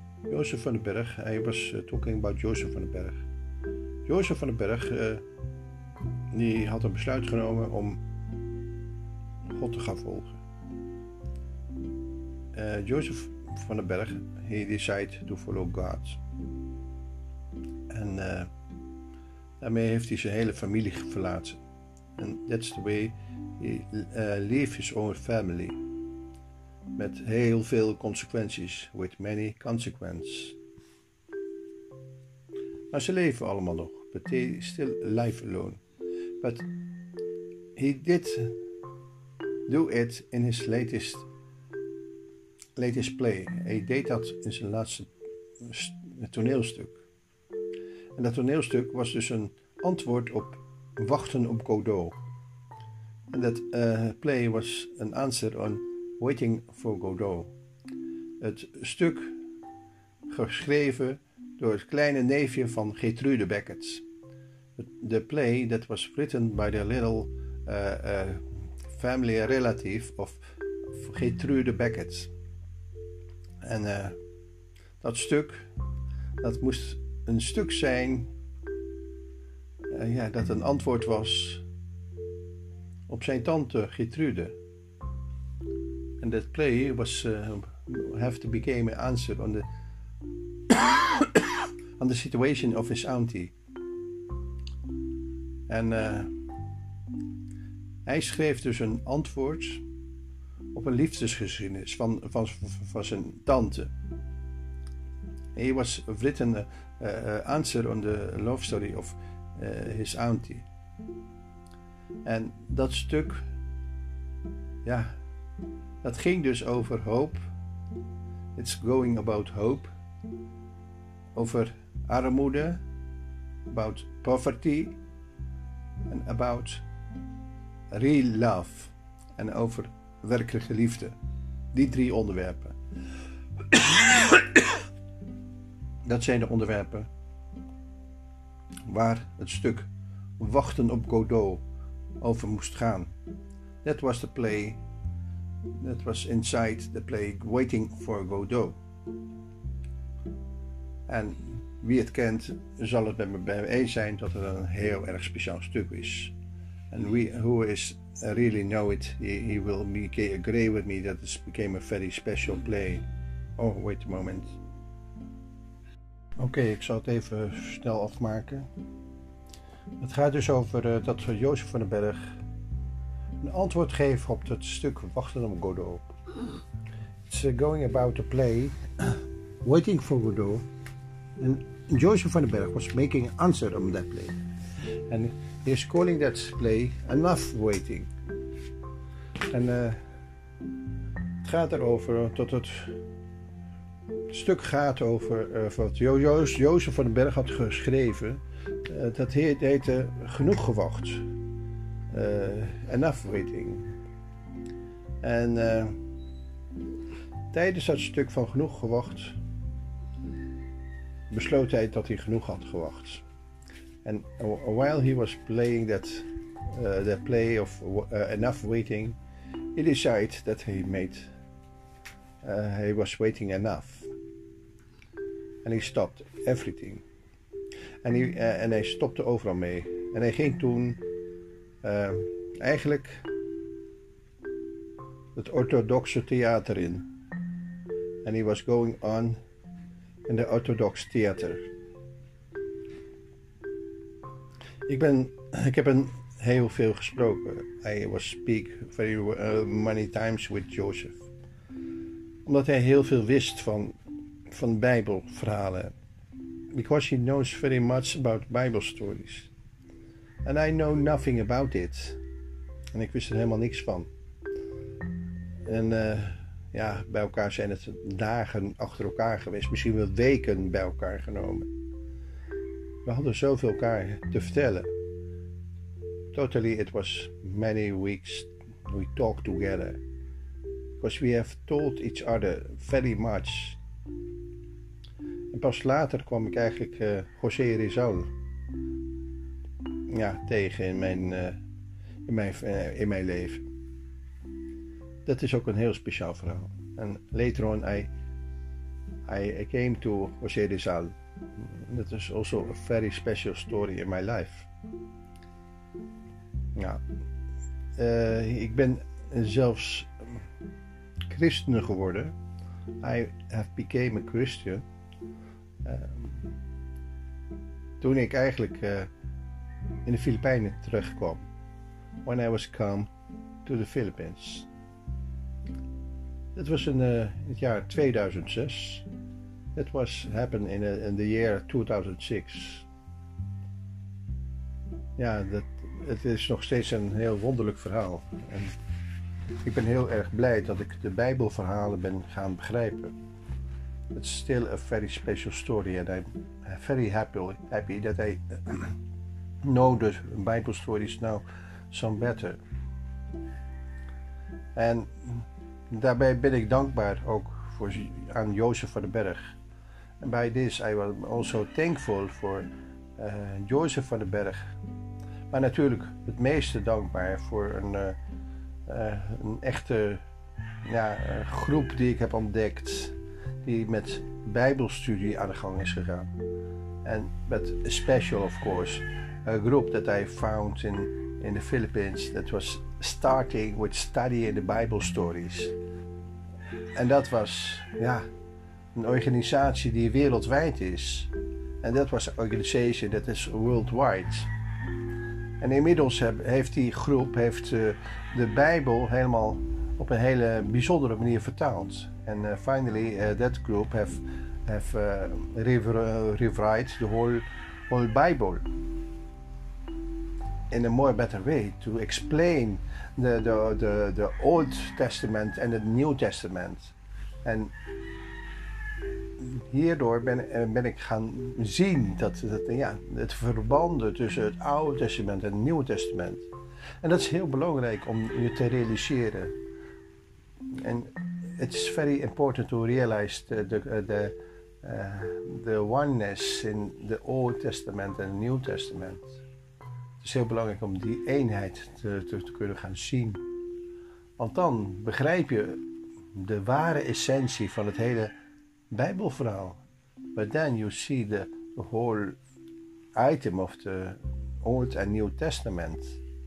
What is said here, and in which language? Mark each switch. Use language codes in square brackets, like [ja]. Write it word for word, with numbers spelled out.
[nl] Jozef van den Berg, hij was uh, [en] talking about [nl] Jozef van den Berg. Jozef van den Berg, uh, die had een besluit genomen om God te gaan volgen. [en] Uh, Jozef van den Berg, he decided to follow God. [nl] En uh, daarmee heeft hij zijn hele familie verlaten. [en] And that's the way he uh, leave his own family. [nl] Met heel veel consequenties. [en] With many consequences. [nl] Maar ze leven allemaal nog. [en] But they still live alone. But he did do it in his latest, latest play. [nl] Hij deed dat in zijn laatste toneelstuk. En dat toneelstuk was dus een antwoord op Wachten op Godot. En dat uh, play was een [en] answer on [nl] Waiting for Godot. Het stuk geschreven door het kleine neefje van Gertrude Beckett. [en] De play that was written by the little uh, uh, family relative of Gertrude Beckett. [nl] En uh, dat stuk, dat moest een stuk zijn Uh, ja, dat een antwoord was op zijn tante Gertrude. En dat [en] play was uh, have to become an answer on the on the situation of his auntie. [nl] En uh, hij schreef dus een antwoord op een liefdesgeschiedenis van, van, van zijn tante. [en] He was written uh, uh, answer on the love story of Uh, his auntie. [nl] En dat stuk, ja, dat ging dus over hoop. [en] It's going about hope. [nl] Over armoede, [en] about poverty, en about real love. [nl] En over werkelijke liefde. Die drie onderwerpen. Dat zijn de onderwerpen waar het stuk Wachten op Godot over moest gaan. [en] That was the play. That was inside the play Waiting for Godot. En wie het kent, zal het met me bij me eens zijn dat het een heel erg speciaal stuk is. And we, who is really know it, he, he will be, agree with me that it became a very special play. Oh, wait a moment. [nl] Oké, okay, ik zal het even snel afmaken. Het gaat dus over uh, dat Jozef van den Berg een antwoord geeft op het stuk Wachten op Godot. [en] It's uh, going about the play Waiting for Godot. En Jozef van den Berg was making an answer on that play. And he is calling that play Enough Waiting. [nl] En uh, het gaat erover dat het Het stuk gaat over uh, wat jo- jo- Jozef van den Berg had geschreven. Uh, dat heette uh, Genoeg gewacht. Uh, [en] enough waiting. [nl] En uh, tijdens dat stuk van Genoeg gewacht besloot hij dat hij genoeg had gewacht. [en] En while he was playing that, uh, that play of uh, Enough Waiting, he decided that he made uh, he was waiting enough. [nl] En hij [en] stopped everything. [nl] En hij, uh, en hij stopte overal mee. En hij ging toen uh, eigenlijk het orthodoxe theater in. En hij [en] was going on in the orthodox theater. [nl] Ik ben, ik heb een heel veel gesproken. [en] I was speak very uh, many times with Joseph. [nl] Omdat hij heel veel wist van van Bijbelverhalen. [en] Because he knows very much about Bible stories. And I know nothing about it. [nl] En ik wist er helemaal niks van. En uh, ja, bij elkaar zijn het dagen achter elkaar geweest. Misschien wel weken bij elkaar genomen. We hadden zoveel elkaar te vertellen. [en] Totally it was many weeks we talked together. Because we have told each other very much. [nl] En pas later kwam ik eigenlijk uh, José Rizal ja, tegen in mijn, uh, in, mijn, uh, in mijn leven. Dat is ook een heel speciaal verhaal. [en] En later on I, I, I came to José Rizal. That is also a very special story in my life. [nl] Ja, uh, ik ben zelfs christen geworden. [en] I have became a Christian. [nl] Uh, toen ik eigenlijk uh, in de Filipijnen terugkwam. [en] When I was come to the Philippines. [nl] Dat was in, uh, in het jaar tweeduizend zes. [en] That was happened in, a, in the year two thousand six. [nl] Ja, dat, het is nog steeds een heel wonderlijk verhaal. En ik ben heel erg blij dat ik de Bijbelverhalen ben gaan begrijpen. [en] It's still a very special story and I'm very happy, happy that I know the Bible stories now some better. [nl] En daarbij ben ik dankbaar ook voor, aan Jozef van den Berg. [en] And by this I am also thankful for uh, Jozef van den Berg. [nl] Maar natuurlijk het meeste dankbaar voor een, uh, uh, een echte ja, uh, groep die ik heb ontdekt. Die met Bijbelstudie aan de gang is gegaan. En met [en] special of course, a group that I found in, in the Philippines that was starting with studying the Bible stories. [nl] En dat was ja, een organisatie die wereldwijd is. En dat was een organisatie dat is worldwide. En inmiddels heb, heeft die groep heeft, uh, de Bijbel helemaal op een hele bijzondere manier vertaald. [en] And uh, finally, uh, that group have have uh, rever- uh, rewrite the whole whole Bible in a more better way to explain the the, the the Old Testament and the New Testament. [nl] En hierdoor ben, ben ik gaan zien dat, dat ja, het verbanden tussen het Oude Testament en het Nieuwe Testament. En dat is heel belangrijk om je te realiseren. [en] En it's very important to realize the the uh, the, uh, the oneness in the Old Testament and the New Testament. [nl] Het is heel belangrijk om die eenheid te, te, te kunnen gaan zien. Want dan begrijp je de ware essentie van het hele Bijbelverhaal. [en] But then you see the, the whole item of the Old and New Testament.